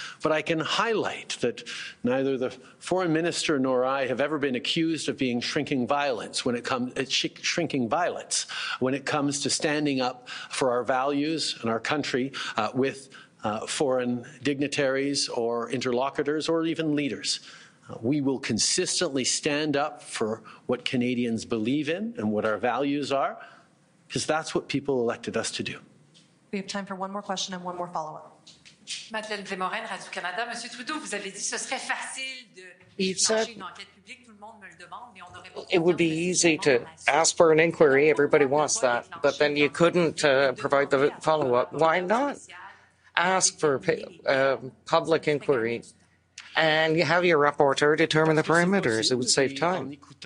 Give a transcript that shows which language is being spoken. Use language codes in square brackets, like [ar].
[en] But I can highlight that neither the foreign minister nor I have ever been accused of being shrinking violence when it comes to standing up for our values and our country with foreign dignitaries or interlocutors or even leaders. We will consistently stand up for what Canadians believe in and what our values are, because that's what people elected us to do. We have time for one more question and one more follow-up. [fr] Madeleine Desmorens, Radio-Canada. Monsieur Trudeau, vous avez dit ce serait facile de lancer une enquête publique. Tout le monde me le demande, mais on aurait pas. [en] It would be easy to ask for an inquiry. Everybody wants that, but then you couldn't provide the follow-up. Why not ask for public inquiry and you have your rapporteur determine the parameters? It would save time.